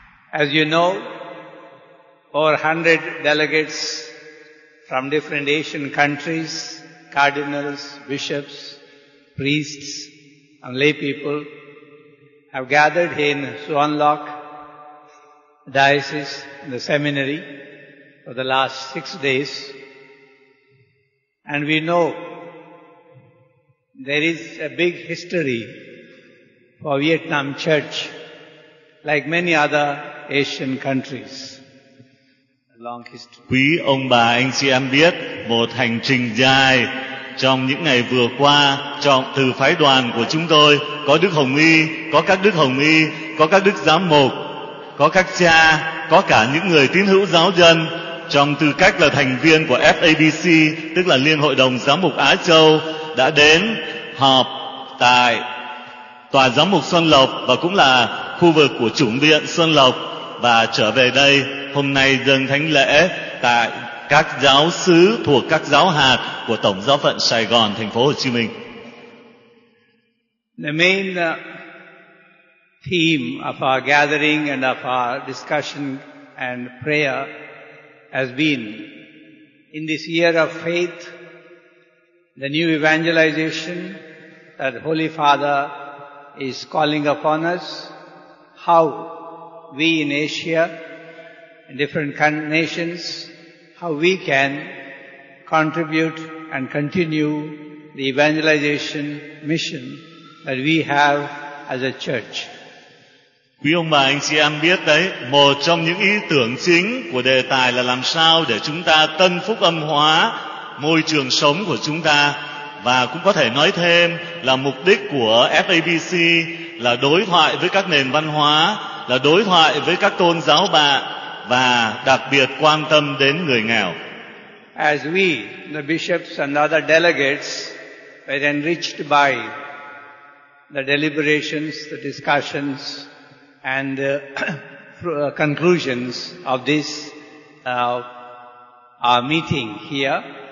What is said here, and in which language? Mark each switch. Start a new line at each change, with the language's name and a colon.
English: As you know, over 100 delegates from different Asian countries, cardinals, bishops, priests, and lay people have gathered in Suan Loc Diocese in the seminary for the last 6 days. And we know there is a big history for Vietnam Church, like many other Asian countries. Long history.
Vietnamese: Quý ông bà anh chị em biết, một hành trình dài trong những ngày vừa qua, trong từ phái đoàn của chúng tôi có Đức Hồng Y, có các Đức Hồng Y, có các Đức Giám Mục, có các cha, có cả những người tín hữu giáo dân, trong tư cách là thành viên của FABC, tức là Liên Hội Đồng Giám Mục Á Châu, đã đến họp tại Tòa Giám Mục Xuân Lộc và cũng là khu vực của chủng điện Xuân Lộc và trở về đây hôm nay dâng thánh lễ tại các giáo xứ thuộc các giáo hạt của Tổng Giáo phận Sài Gòn, Thành phố Hồ Chí Minh.
English: The main theme of our gathering and of our discussion and prayer has been in this year of faith, the new evangelization that Holy Father is calling upon us. How we in Asia, in different nations, how we can contribute and continue the evangelization mission that we have as a church.
Vietnamese: Quý ông bà anh chị em biết đấy, một trong những ý tưởng chính của đề tài là làm sao để chúng ta tân phúc âm hóa môi trường sống của chúng ta, và cũng có thể nói thêm là mục đích của FABC là đối thoại với các nền văn hóa, là đối thoại với các tôn giáo bạn và đặc biệt quan tâm đến người nghèo.
English: As we, the bishops and other delegates, were enriched by the deliberations, the discussions and the conclusions of this our meeting here,